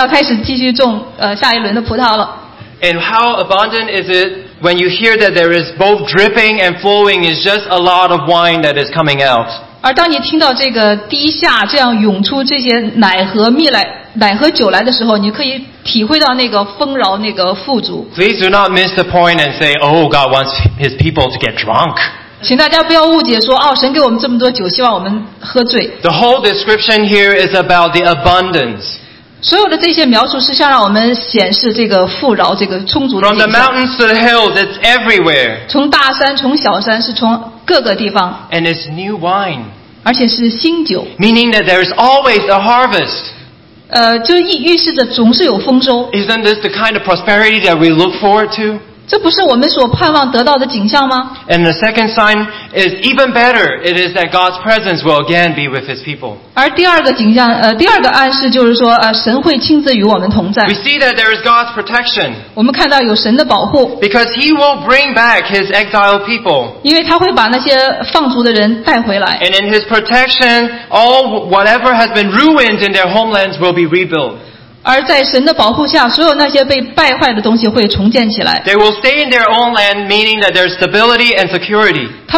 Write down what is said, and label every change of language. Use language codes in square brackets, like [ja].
[zh] 那个踹葡萄的人，还没有踹完，那个后面要来耕种的人就说：“你好了吗？好了吗？我们要开始继续种下一轮的葡萄了。” [en] And how abundant is it when you hear that there is both dripping and flowing? It's just a lot of wine that is coming out. [zh] 而当你听到这个滴下这样涌出这些奶和蜜来奶和酒来的时候，你可以体会到那个丰饶、那个富足。 [en] Please do not miss the point and say, "Oh, God wants His people to get drunk." [zh] 请大家不要误解说，哦，神给我们这么多酒，希望我们喝醉。 [en] The whole description here is about the abundance. [zh] 所有的这些描述是想让我们显示这个富饶、这个充足的。 [en] From the mountains to the hills, it's everywhere. [zh] 从大山、从小山，是从 各个地方, [en] and it's new wine. [zh] 而且是新酒, [en] meaning that there is always a harvest. [zh] 就预示着总是有丰收。 [en] Isn't this the kind of prosperity that we look forward to? [zh] 这不是我们所盼望得到的景象吗? [en] And the second sign is even better. It is that God's presence will again be with His people. [zh] 而第二个景象, 第二个暗示就是说, 神会亲自与我们同在。 [en] We see that there is God's protection. [zh] 我们看到有神的保护。 [en] Because He will bring back His exiled people. [zh] 因为他会把那些放逐的人带回来。 [en] And in His protection, all whatever has been ruined in their homelands will be rebuilt. [zh] 而在神的保护下，所有那些被败坏的东西会重建起来。 [en] They will stay in their own land, meaning that there's stability and security.